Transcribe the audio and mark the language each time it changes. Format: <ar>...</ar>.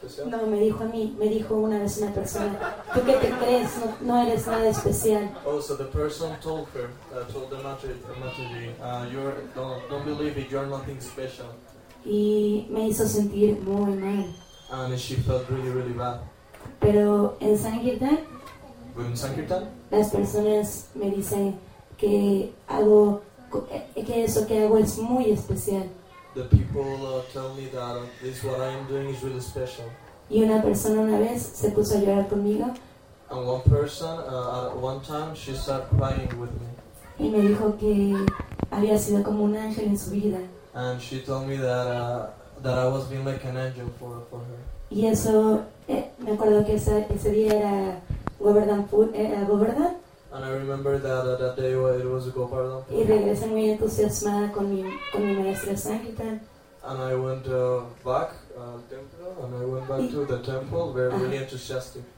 <es>No, me dijo a mí, me dijo una vez una persona, ¿tú qué te crees? No eres nada especial.</es> <en>Oh, so the person told the Mataji, don't believe it, you're nothing special.</en> <es>Y me hizo sentir muy mal.</es> <en>And she felt really, really bad.</en> <es>Pero en Sankirtan, las personas me dicen que hago, que eso que hago es muy especial.</es> <en>The people tell me that this what I am doing is really special.</en> <es>Y una persona una vez se puso a llorar conmigo.</es> <en>And one person, one time, she started crying with me.</en> <es>Y me dijo que había sido como un ángel en su vida.</es> <en>and she told me that that I was being like an angel for her.</en> <es>Y eso, me acuerdo que ese día era Govardhan.</es> <en>And I remember that day it was Govardhan.</en> <es>Y regresé muy entusiasmada con mi maestra Sankirtan.</es> <en>And I went back to the temple very really enthusiastic.</en>